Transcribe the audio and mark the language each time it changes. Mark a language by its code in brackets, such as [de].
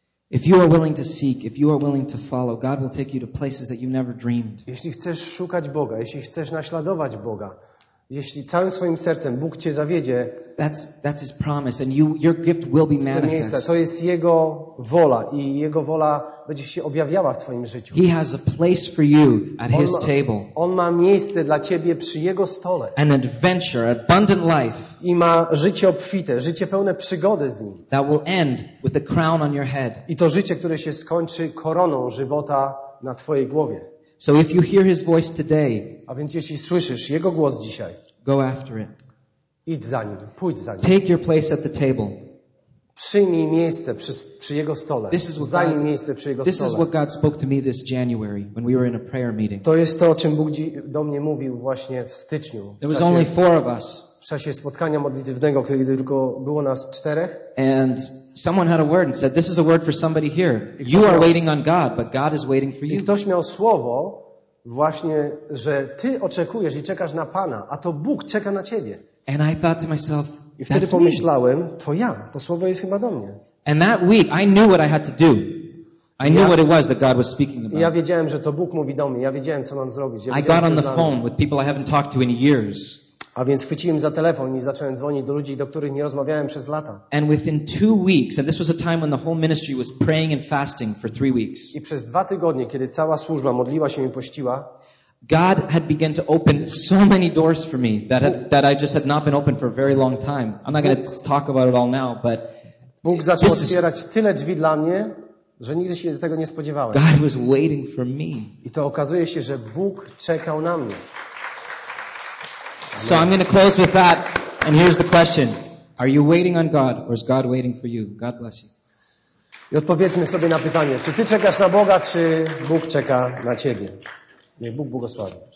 [en] If you are willing to seek, if you are willing to follow, God will take you to places that you never dreamed. [pl] Jeśli chcesz szukać Boga, jeśli chcesz naśladować Boga, jeśli całym swoim sercem Bóg cię zawiedzie, [en] that's his promise and your gift will be manifest. [pl] To jest jego wola i jego wola będzie się objawiała w twoim życiu. [en] He has a place for you at his table. [pl] On ma miejsce dla ciebie przy jego stole. [en] An adventure, abundant life. [pl] I ma życie obfite, życie pełne przygody z nim. [en] That will end with a crown on your head. [pl] I to życie, które się skończy koroną żywota na twojej głowie. [en] So if you hear his voice today, [pl] a więc jeśli słyszysz jego głos dzisiaj, [en] go after it. [pl] Idź za nim, pójdź za nim. [en] Take your place at the table. [pl] Przyjmij miejsce przy jego stole. Zajmij miejsce przy jego stole. [en] This is what God spoke to me this January when we were in a prayer meeting. [pl] To jest to, o czym Bóg do mnie mówił właśnie w styczniu. [en] There was only four of us. [pl] W czasie spotkania modlitywnego, kiedy tylko było nas czterech. [en] And someone had a word and said, "This is a word for somebody here. You are waiting on God, but God is waiting for you." [pl] I ktoś miał słowo właśnie, że ty oczekujesz i czekasz na Pana, a to Bóg czeka na ciebie. [en] And I thought to myself, [pl] i wtedy pomyślałem, to ja, to słowo jest chyba do mnie. [en] And that week I knew what I had to do. I knew what it was that God was speaking about. [pl] Ja wiedziałem, że to Bóg mówi do mnie. Ja wiedziałem, co mam zrobić. [en] I got on the phone with people I haven't talked to in years. [pl] A więc chwyciłem za telefon i zacząłem dzwonić do ludzi, do których nie rozmawiałem przez lata. [en] And within 2 weeks, and this was a time when the whole ministry was praying and fasting for 3 weeks. [pl] I przez 2 tygodnie, kiedy cała służba modliła się i pościła, [en] God had begun to open so many doors for me that I just had not been open for a very long time. I'm not going to talk about it all now, but [pl] Bóg zaczął otwierać tyle drzwi dla mnie, że nigdy się tego nie spodziewałem. [en] God was waiting for me. [pl] I to okazuje się, że Bóg czekał na mnie. [en] So I'm going to close with that, and here's the question: are you waiting on God, or is God waiting for you? God bless you. [pl] I odpowiedzmy sobie na pytanie: czy ty czekasz na Boga, czy Bóg czeka na ciebie? Niech Bóg błogosławi.